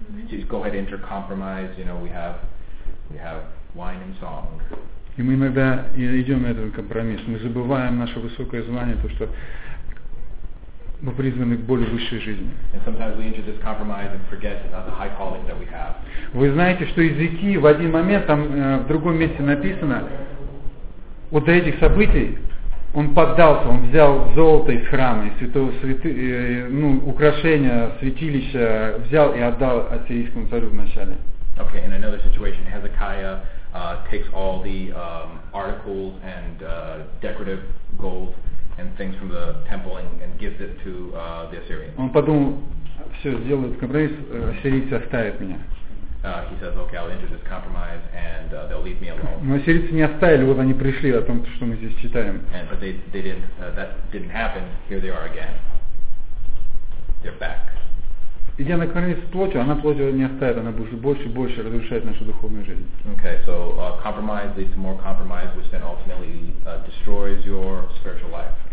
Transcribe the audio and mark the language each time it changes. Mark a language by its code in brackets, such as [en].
[en] Just go ahead and enter compromise, you know, we have wine and song. [ru] И мы иногда идем на этот компромисс, мы забываем наше высокое звание, то что... Мы призваны к более высшей жизни. [en] And sometimes we enter this compromise and forget the high calling that we have. [ru] Вы знаете, что Иезекии в один момент, там в другом месте написано, вот до этих событий он поддался, он взял золото из храма, из святого, украшения, святилища, взял и отдал ассирийскому царю вначале. [en] Okay, in another situation, Hezekiah takes all the articles and decorative gold and things from the temple and gives it to the Assyrians. [ru] Он подумал, все, сделает компромисс, ассирийцы оставят меня. [en] He says, okay, I'll enter this compromise and they'll leave me alone. [ru] Но ассирийцы не оставили, вот они пришли о том, что мы здесь читаем. [en] And but they didn't, that didn't happen, here they are again. They're back. [ru] Идя на компромисс с плотью, она плотью не оставит, она будет больше и больше разрушать нашу духовную жизнь. [en] Okay, so compromise leads to more compromise, which then ultimately destroys your spiritual life.